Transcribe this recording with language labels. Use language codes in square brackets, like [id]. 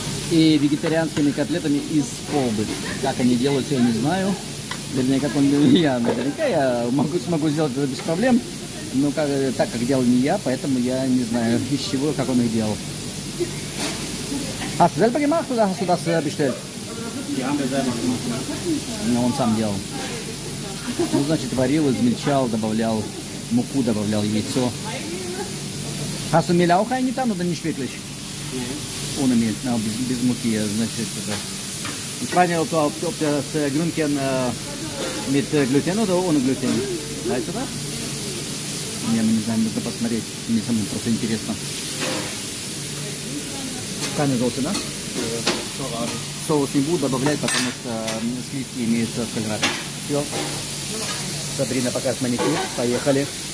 [ru] И вегетарианскими котлетами из колбы. Как они делают, я не знаю. Вернее, как он делал я, наверняка я смогу сделать это без проблем. Но так как делал не я, поэтому я не знаю, из чего, как он их делал. [de] Hast du selber gemacht oder hast du das bestellt? Die haben wir selber gemacht. [ru] Ja, он сам делал. Ну, значит, варил, измельчал, добавлял муку, добавлял яйцо. [de] Hast du Mehl auch eingetan oder nicht wirklich? Ohne Mehl, [ru] без муки, значит, это... [de] Ich frage mich, ob du das Grünchen mit Gluten oder ohne Gluten? Weißt du das? [ru] Я не знаю, нужно посмотреть, мне самому просто интересно. Каны золотые, да? Соус не буду добавлять, потому что сливки имеются в кальраби. Все. Сабрина показывает маникюр. Поехали.